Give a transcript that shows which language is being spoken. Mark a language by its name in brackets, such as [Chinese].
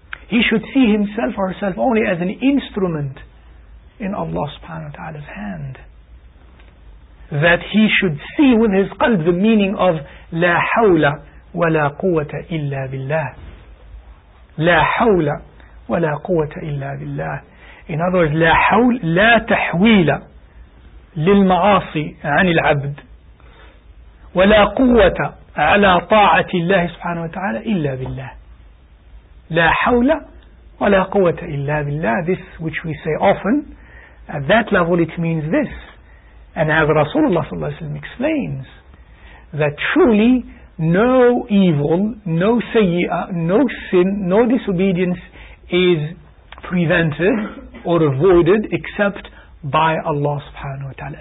[English] He should see himself or herself only as an instrument in Allah [Arabic] subhanahu wa ta'ala's [English] hand. That he should see with his qalb the meaning of [Arabic] لا حول ولا قوة إلا بالله. لا حول ولا قوة إلا بالله. [English] In other words, [Arabic] لا حول, لا تحويل للمعاصي عن العبد, ولا قوة على طاعة الله سبحانه وتعالى إلا بالله. لا حول ولا قوة إلا بالله. [English] This which we say often, at that level it means this. And as Rasulullah [Arabic] صلى الله عليه وسلم [English] explains, that truly no evil, no sayyi'ah, no sin, no disobedience is prevented or avoided except by Allah [Arabic] subhanahu wa ta'ala.